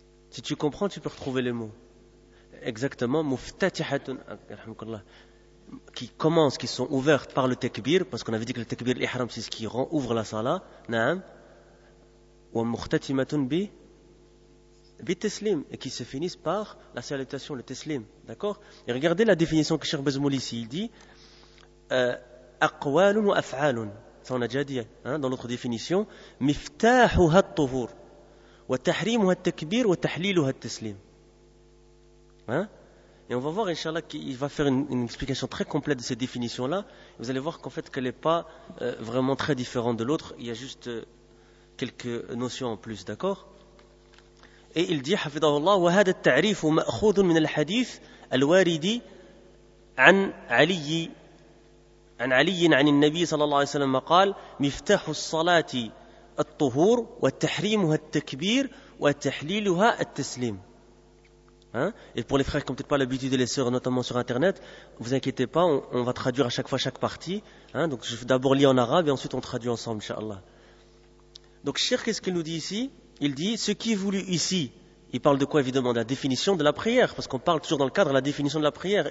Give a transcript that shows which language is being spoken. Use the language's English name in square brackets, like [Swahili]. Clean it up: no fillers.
[French] Si tu comprends, tu peux retrouver les mots. Exactement, muftatihatun, alhamdulillah, qui commencent, qui sont ouvertes par le takbir, parce qu'on avait dit que le takbir l'ihram, c'est ce qui rend, ouvre la salah, naam, [Arabic] wa muhtatimatun bi teslim, [French] et qui se finissent par la salutation, le teslim, d'accord. Et regardez la définition que Cheikh Bazmoul ici, il dit, [Arabic] أقوال وأفعال. [French] Ça on a déjà dit hein, dans l'autre définition. [Arabic] مفتاحها الطهور وتحريمها التكبير وتحليلها التسليم. [French] Et on va voir, Inch'Allah, qu'il va faire une explication très complète de ces définitions-là. Vous allez voir qu'en fait, qu'elle n'est pas vraiment très différente de l'autre. Il y a juste quelques notions en plus, d'accord ? Et il dit, [Arabic] حفظه الله, وهذا التعريف مأخوذ من الحديث الوارد عن علي عن علي عن النبي صلى الله عليه وسلم قال مفتاح الصلاة الطهور وتحريمها التكبير وتحليلها التسليم. [French] Hein? Et pour les frères qui n'ont peut-être pas l'habitude de les sœurs, notamment sur Internet, vous inquiétez pas, on va traduire à chaque fois chaque partie. Hein? Donc je vais d'abord lire en arabe et ensuite on traduit ensemble, inshallah. Donc Cheikh, qu'est-ce qu'il nous dit ici? Il dit, ce qui est voulu ici, il parle de quoi évidemment? De la définition de la prière, parce qu'on parle toujours dans le cadre de la définition de la prière.